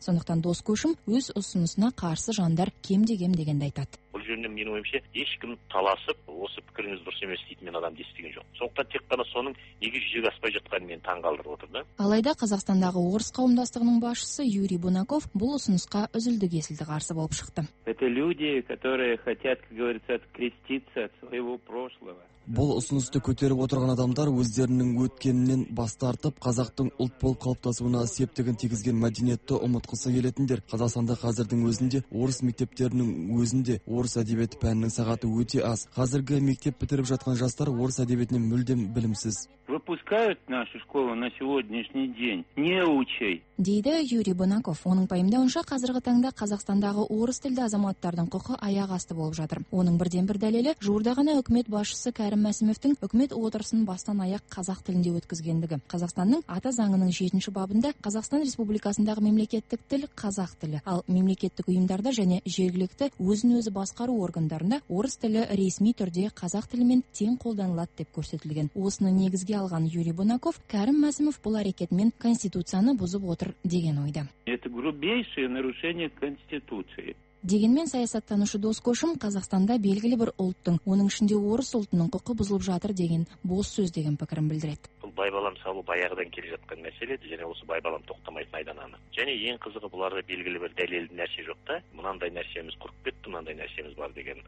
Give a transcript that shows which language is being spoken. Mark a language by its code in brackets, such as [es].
[kk] Сондықтан Дос Көшім өз ұсынысына қарсы жандар кемде-кем дегенді айтады. Бұл жөнінде менің ойымша ешкім таласып, осы пікіріңіз дұрыс емес дейді, мен адам естіген жоқ. Сондықтан тек қана соның неге жүзеге аспай жатқанын мен таңғалдырып отырды. Алайда Қазақстандағы орыс қауымдастығының басшысы Юрий Бунаков бұл ұсынысқа үзілді-кесілді қарсы болып шықты. [ru] Это люди, которые хотят, как говорится, откреститься от своего прошлого. [kk] Бұл ұсынысты көтеріп отырған адамдар өздерінің өткенінен бас тартып, қазақтың ұлт болып қалыптасуына септігін тигізген мәдениетті ұмытқысы келетіндер. Қазақстанда қазірдің өзінде орыс мектептерінің өзінде орыс әдебиеті пәнінің сағаты өте аз. Қазіргі мектеп бітіріп жатқан жастар орыс әдебиетінен мүлдем білімсіз. [ru] Выпускают нашу школу на сегодняшний день неучей. [kk] Дейді Юрий Бунаков. Оның пайымдауынша, қазіргі таңда Қазақстандағы орыс тілді азаматтардың құқы аяқ асты болып жатыр. Оның бірден бір дәлелі жуырда ғана үкімет басшысы Кәрім Мәсімовтің үкімет отырысын бастан аяқ қазақ тілінде өткізгендігі. Қазақстанның ата заңының 7-ші бабында Қазақстан Республикасындағы мемлекеттік тіл қазақ тілі, ал мемлекеттік ұйымдарда және жергілікті өзін-өзі басқару органдарында орыс тілі ресми түрде қазақ тілімен тең қолданылады деп көрсетілген. Осыны негізге алған Юрий Бунаков, Кәрім Мәсімов бұл әрекетімен конституцияны бұзып отыр деген ойда. [ru] Это грубейшее нарушение конституции. [kk] Дегенмен саясаттанушы Дос Көшім Қазақстанда белгілі бір ұлттың, оның ішінде орыс ұлтының құқы бұзылып жатыр деген бос сөз деген пікірін білдіреді. Бұл байбалам салу баяғыдан келе жатқан мәселе, және осы байбалам тоқтамайтын айдан анық. Және ең қызығы, бұларда белгілі бір дәлелді нәрсе жоқ та, мынандай нәрсеміз құрып кетті, мынандай нәрсеміз бар деген.